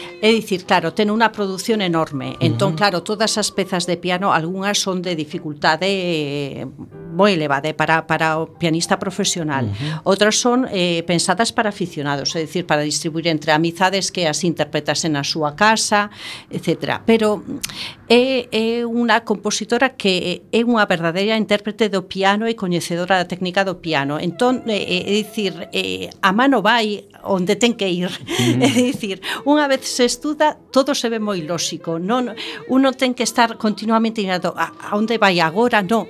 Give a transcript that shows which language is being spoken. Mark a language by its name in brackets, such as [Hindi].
[Galician] É dicir, claro, ten unha produción enorme. Entón, claro, todas as pezas de piano, algunhas son de dificultade [Spanish] muy elevada para pianista profesional. Uh-huh. Otras son pensadas para aficionados, es decir, para distribuir entre amizades que así interpretasen a su casa, etcétera. [Galician] Pero é unha compositora que é unha verdadeira intérprete do piano e coñecedora da técnica do piano. Entón, é dicir, a mano vai onde ten que ir. É dicir, unha vez se estuda, todo se ve moi lóxico. Non, uno ten que estar continuamente mirando a onde vai agora, non.